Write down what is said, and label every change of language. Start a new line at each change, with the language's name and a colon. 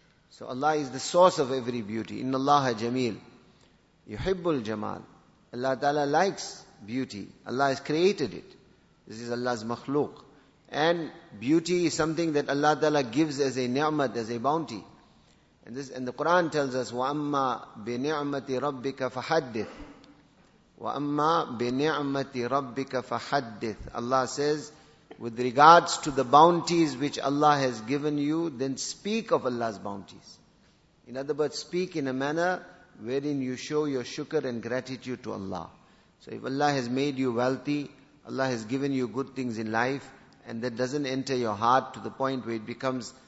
English: So Allah is the source of every beauty.
Arabic: Inna Allaha Jameel, Yuhibbul Jamal.
English: Allah Ta'ala likes beauty. Allah has created it. This is Allah's makhluk. And beauty is something that Allah Ta'ala gives as a ni'mat, as a bounty. And the Quran tells us,
Arabic: وَأَمَّا بِنِعْمَةِ رَبِّكَ فَحَدِّثْ وَأَمَّا بِنِعْمَةِ رَبِّكَ فَحَدِّثْ.
English: Allah says, with regards to the bounties which Allah has given you, then speak of Allah's bounties. In other words, speak in a manner wherein you show your shukr and gratitude to Allah. So if Allah has made you wealthy, Allah has given you good things in life, and that doesn't enter your heart to the point where it becomes